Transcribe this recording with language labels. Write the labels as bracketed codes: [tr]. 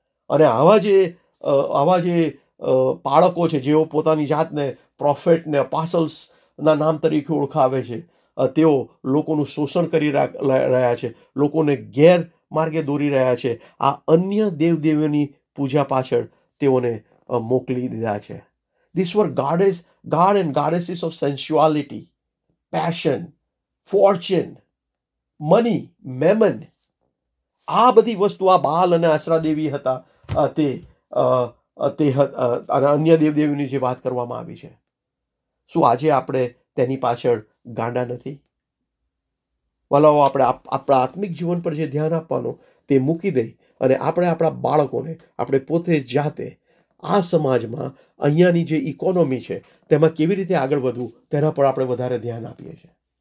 [gu] અને આવા જે બાળકો છે જેઓ પોતાની જાતને પ્રોફેટ ને અપોસલ્સના નામ તરીકે ઓળખાવે છે, તેઓ લોકોનું શોષણ કરી રહ્યા છે, લોકોને ગેરમાર્ગે દોરી રહ્યા છે, આ અન્ય દેવદેવીઓની પૂજા પાછળ તેઓને મોકલી દીધા છે. [en] These were goddess, god and goddesses of sensuality, passion, fortune, money, mammon. [gu] આ બધી વસ્તુ આ બાલ અને આશરા દેવી હતા તે તે અને અન્ય દેવદેવીની જે વાત કરવામાં આવી છે, શું આજે આપણે તેની પાછળ ગાંડા નથી? વલાવો આપણે આપણા આત્મિક જીવન પર જે ધ્યાન આપવાનું તે મૂકી દઈ અને આપણે આપણા બાળકોને આપણે પોતે જાતે આ સમાજમાં અહીંયાની જે ઇકોનોમી છે તેમાં કેવી રીતે આગળ વધવું તેના પર આપણે વધારે ધ્યાન આપીએ છીએ.